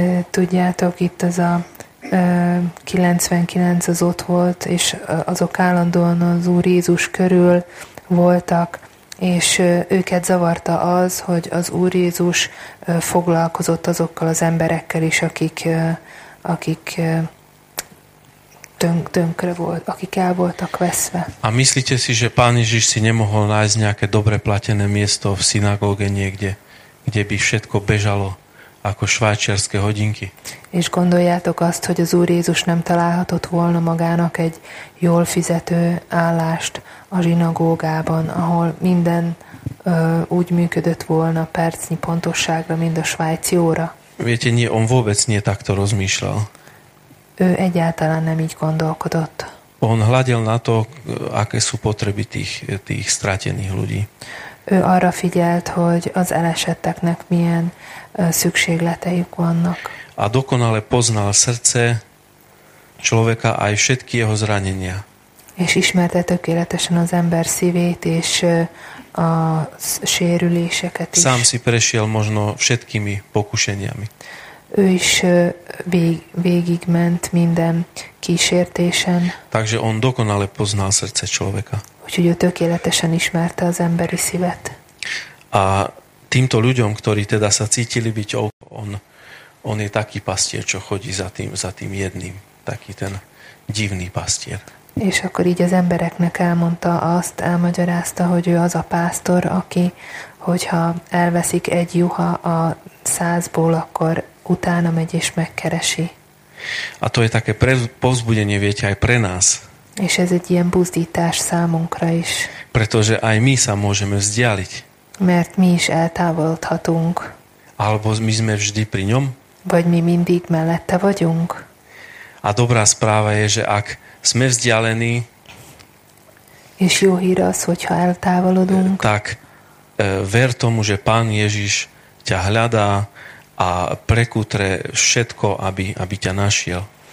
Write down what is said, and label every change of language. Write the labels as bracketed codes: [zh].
[hu] Tudjátok, itt az a 99 az ott volt, és azok állandóan az Úr Jézus körül voltak, és őket zavarta az, hogy az Úr Jézus foglalkozott azokkal az emberekkel is, akik el voltak veszve. [sk] A myslíte si, že Pán Ježiš si nemohol nájsť nejaké dobre platené miesto v synagóge niekde, kde by všetko bežalo ako švajčiarske hodinky? [hu] És gondoljátok azt, hogy az Úr Jézus nem találhatott volna magának egy jól fizető állást a zsinagógában, ahol minden úgy működött volna percnyi pontosságra, mint a svájci óra. [sk] Viete, nie, on vôbec nie takto rozmýšľal. [hu] Ő egyáltalán nem így gondolkodott. [sk] On hľadel na to, aké sú potreby tých stratených ľudí. [hu] Ő arra figyelt, hogy az elesetteknek milyen szükségleteik vannak. [sk] A dokonale poznal srdce človeka aj všetky jeho zranenia. [hu] És ismerte tökéletesen az ember szívét és a sérüléseket is. [sk] Sám si prešiel možno všetkými pokušeniami. [hu] Ő is végigment minden kísértésen. [sk] Takže on dokonale poznal srdce človeka. [hu] Úgyhogy ő tökéletesen ismerte az emberi szívet. [sk] A týmto ľuďom, ktorí teda sa cítili byť on je taký pastier, čo chodí za tým jedným, taký ten divný pastier. [hu] És akkor így az embereknek elmondta azt, elmagyarázta, hogy ő az a pásztor, aki, hogyha elveszik egy juha a százból, akkor utána megy és megkeresi. [sk] A to je také povzbudenie, viete, aj pre nás. [hu] És ez egy ilyen buzdítás számunkra is. [sk] Pretože aj my sa môžeme vzdialiť. [hu] Mert mi is eltávolodhatunk. [sk] Alebo my sme vždy pri ňom. [hu] Vagy mi mindig mellette vagyunk. [sk] A dobrá správa je, že ak sme vzdialení, [hu] és jó hír az, hogyha eltávolodunk, [sk] tak ver tomu, že Pán Ježiš ťa hľadá a prekutre všetko, aby ťa našiel.